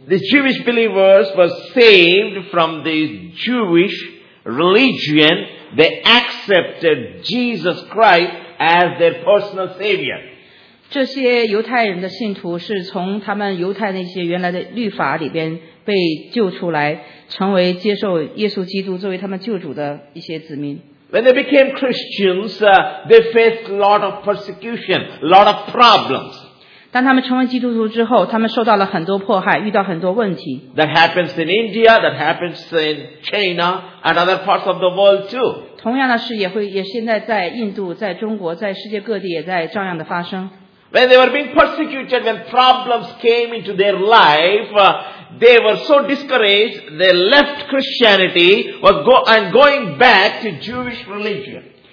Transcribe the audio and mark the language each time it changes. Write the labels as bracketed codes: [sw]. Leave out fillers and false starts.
[en] The Jewish believers were saved from the Jewish religion. They accepted Jesus Christ as their personal savior. [zh] 这些犹太人的信徒是从他们犹太那些原来的律法里边被救出来，成为接受耶稣基督作为他们救主的一些子民。 [en] When they became Christians, they faced a lot of persecution, a lot of problems. [zh] 当他们成为基督徒之后，他们受到了很多迫害，遇到很多问题。 [en] That happens in India, that happens in China, and other parts of the world too. [zh] 同样的事也现在在印度，在中国，在世界各地也在照样的发生。 [en] When they were being persecuted, when problems came into their life, they were so discouraged, they left Christianity and going back to Jewish religion.